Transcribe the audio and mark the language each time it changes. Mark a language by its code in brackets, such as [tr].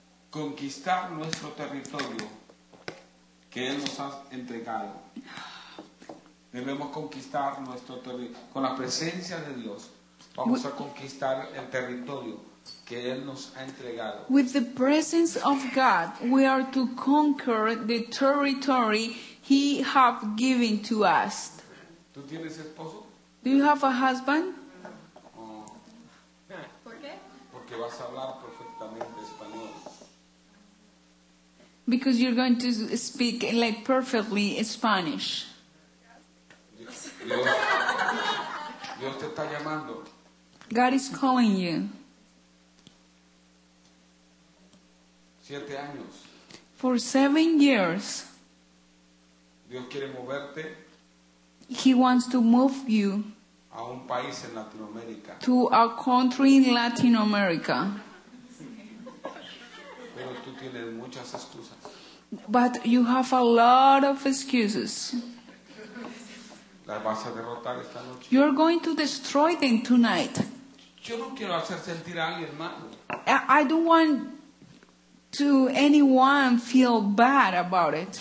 [es] Conquistar nuestro territorio que Él nos ha entregado. Debemos conquistar nuestro territorio. Con la presencia de Dios vamos a conquistar el territorio que Él nos ha entregado. [en] With the presence of God, we are to conquer the territory He has given to us. [es] ¿Tú tienes esposo? [en] Do you have a husband? [es] ¿Por qué? Porque vas a hablar perfectamente español. [en] Because you're going to speak like perfectly Spanish. [es] Dios te está llamando. [en] God is calling you. [es] 7 años. [en] For 7 years. [es] Dios quiere moverte. [en] He wants to move you. [es] A un país en Latinoamérica. [en] To a country in Latin America. [es] Pero tú tienes muchas excusas. [en] But you have a lot of excuses. [es] Las vas a derrotar esta noche. [en] You're going to destroy them tonight. [es] Yo no quiero hacer sentir a alguien malo. [en] I don't want to anyone feel bad about it.